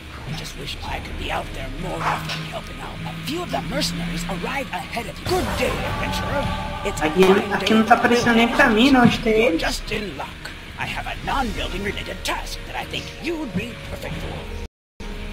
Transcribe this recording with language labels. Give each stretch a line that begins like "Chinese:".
English: I just wish I could be out there more often helping out. A few of the mercenaries arrive ahead of you. Good day, adventurer. It's a
Portuguese: aqui não tá aparecendo nem pra mim, não, onde tem eles.
English: Just in luck. I have a non-building related task that I think you'd be perfect for.